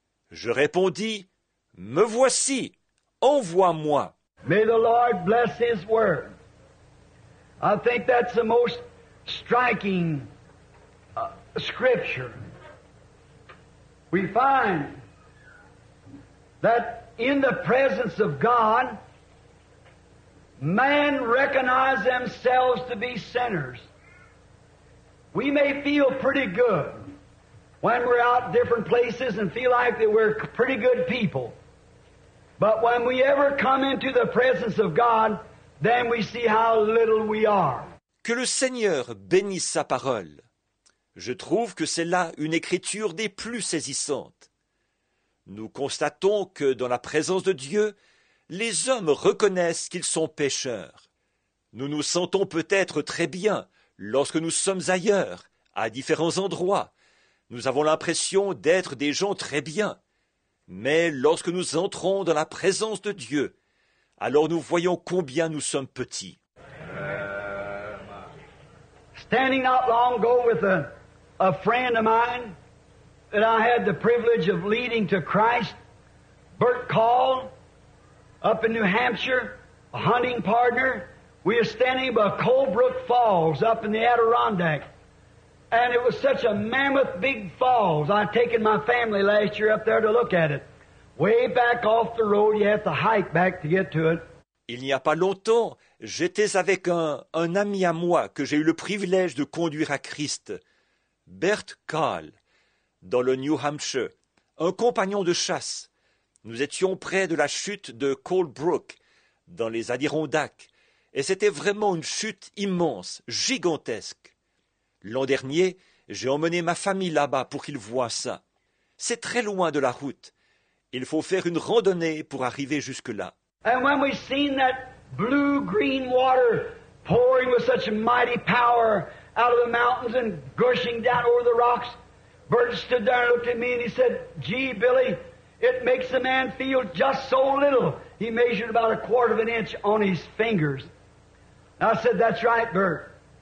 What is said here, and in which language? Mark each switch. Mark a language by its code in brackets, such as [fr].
[fr] Je répondis, « Me voici, envoie-moi. » [en] May the Lord bless His Word. I think that's the most striking scripture. We find that in the presence of God, man recognize themselves to be sinners. We may feel pretty good when we're out different places and feel like that we're pretty good people. But when we ever come into the presence of God, then we see how little we are. [fr] Que le Seigneur bénisse sa parole. Je trouve que c'est là une écriture des plus saisissantes. Nous constatons que dans la présence de Dieu, les hommes reconnaissent qu'ils sont pécheurs. Nous nous sentons peut-être très bien lorsque nous sommes ailleurs, à différents endroits. Nous avons l'impression d'être des gens très bien. Mais lorsque nous entrons dans la présence de Dieu, alors nous voyons combien nous sommes petits. [en] Standing not long ago with a friend of mine that I had the privilege of leading to Christ, Bert Call, up in New Hampshire, a hunting partner. We were standing by Colebrook Falls up in the Adirondack. And it was such a mammoth big falls. I'd taken my family last year up there to look at it. Way back off the road, you have to hike back to get to it. [fr] Il n'y a pas longtemps, j'étais avec un ami à moi que j'ai eu le privilège de conduire à Christ, Bert Call, dans le New Hampshire, un compagnon de chasse. Nous étions près de la chute de Colebrook, dans les Adirondacks, et c'était vraiment une chute immense, gigantesque. L'an dernier, j'ai emmené ma famille là-bas pour qu'ils voient ça. C'est très loin de la route. Il faut faire une randonnée pour arriver jusque-là. [en] And when we seen that blue-green water pouring with such mighty power out of the mountains and gushing down over the rocks, Bert stood there and looked at me and he said, "Gee, Billy, it makes a man feel just so little." He measured about a quarter of an inch on his fingers. And I said, "That's right, Bert."